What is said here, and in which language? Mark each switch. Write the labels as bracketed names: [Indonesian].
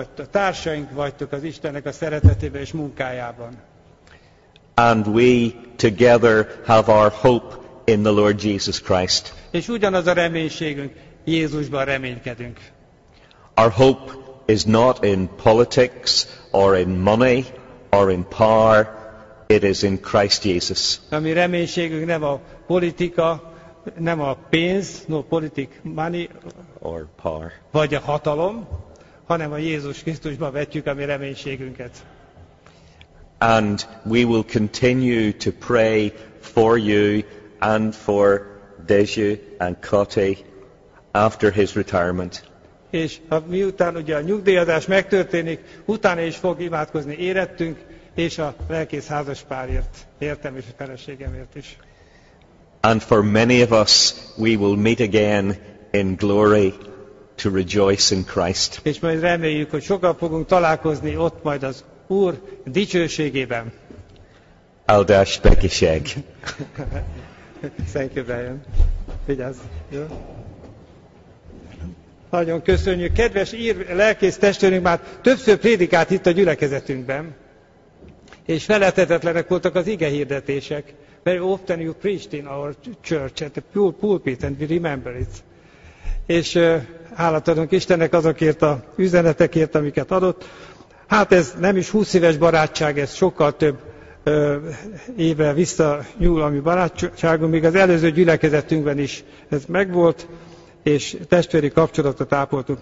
[Hungarian] Társaink vagytok az Istennek a szeretetében és munkájában. [English] And we together have our hope in the Lord Jesus Christ. [Hungarian] És ugyanaz a reménységünk, Jézusban reménykedünk. [English] Our hope is not in politics or in money or in power, it is in Christ Jesus. [Hungarian] A mi reménységünk nem a politika, nem a pénz, [English] no politik, money or power, [Hungarian] vagy a hatalom, hanem a Jézus Krisztusba vetjük a mi reménységünket. [English] And we will continue to pray for you and for Dezső and Kati after his retirement. [Hungarian] És miután ugye a nyugdíjazás megtörténik, utána is fog imádkozni érettünk, és a lelkész házaspárért, értem és a feleségemért is. [English] And for many of us, we will meet again in glory to rejoice in Christ. [Hungarian] És majd reméljük, hogy sokan fogunk találkozni ott majd az Úr dicsőségében. Áldás békesség. [English] Thank you, Brian. [Hungarian] Vigyázz, jó? Nagyon köszönjük. Kedves ír lelkész testvérünk már többször prédikált itt a gyülekezetünkben, és felethetetlenek voltak az ige hirdetések. [English] Very often you preached in our church at the pulpit, and we remember it. [Hungarian] És hálát adunk Istennek azokért a üzenetekért, amiket adott. Hát ez nem is 20 éves barátság, ez sokkal több éve visszanyúl a mi barátságunk, még az előző gyülekezetünkben is ez megvolt, és testvéri kapcsolatot ápoltunk.